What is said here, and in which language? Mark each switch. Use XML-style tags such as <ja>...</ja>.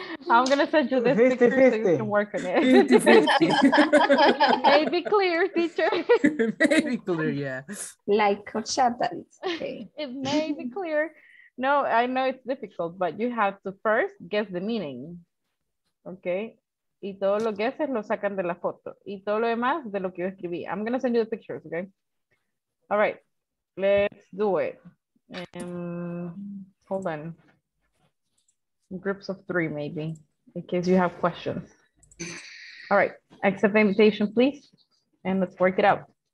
<en>I'm going to send you this 50, picture 50. So you can work on it. 50-50. Maybe clear, teacher. Maybe clear, yeah. Like horchata. Okay. It may be clear. No, I know it's difficult, but you have to first guess the meaning. Okay?</en> <es>Y todos los guesses lo sacan de la foto. Y todo lo demás de lo que yo escribí.</es> <en>I'm going to send you the pictures, okay? All right. Let's do it. Hold on. Groups of three, maybe, in case you have questions. All right, accept the invitation, please, and let's work it out.</en>